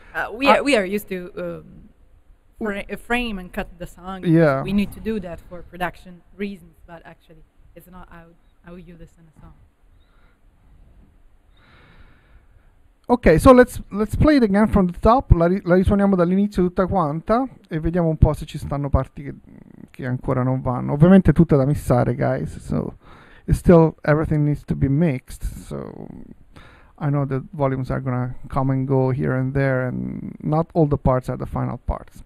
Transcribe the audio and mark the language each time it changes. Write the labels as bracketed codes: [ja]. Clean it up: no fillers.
[en] We are used to frame and cut the song. Yeah. We need to do that for production reasons, but actually it's not how you listen a song. Okay, so let's play it again from the top. [it] La risuoniamo dall'inizio tutta quanta e vediamo un po' se ci stanno parti che ancora non vanno. Ovviamente tutta da missare, guys. [en] So it's still everything needs to be mixed. So I know the volumes are gonna come and go here and there, and not all the parts are the final parts.